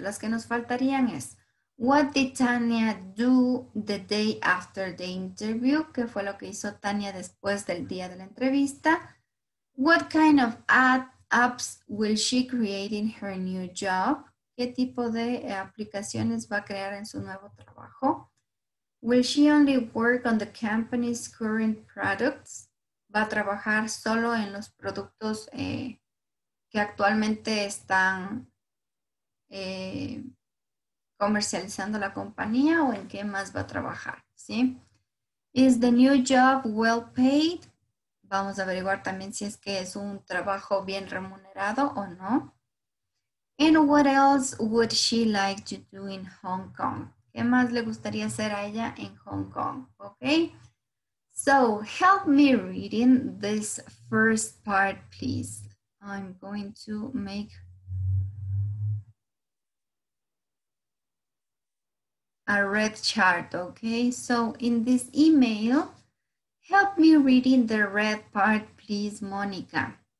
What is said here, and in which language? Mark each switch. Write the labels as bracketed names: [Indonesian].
[Spanish] Las que nos faltarían es, [English] what did Tania do the day after the interview? [Spanish] ¿Qué fue lo que hizo Tania después del día de la entrevista? [English] What kind of apps will she create in her new job? [Spanish] ¿Qué tipo de aplicaciones va a crear en su nuevo trabajo? [English] Will she only work on the company's current products? [Spanish] ¿Va a trabajar solo en los productos que actualmente están comercializando la compañía o en qué más va a trabajar, ¿sí? [English] Is the new job well paid? [Spanish] Vamos a averiguar también si es que es un trabajo bien remunerado o no. [English] And what else would she like to do in Hong Kong? [Spanish] ¿Qué más le gustaría hacer a ella en Hong Kong? [English] Okay. So help me reading this first part, please. I'm going to make a red chart, okay? So in this email, help me reading the red part, please, Monica.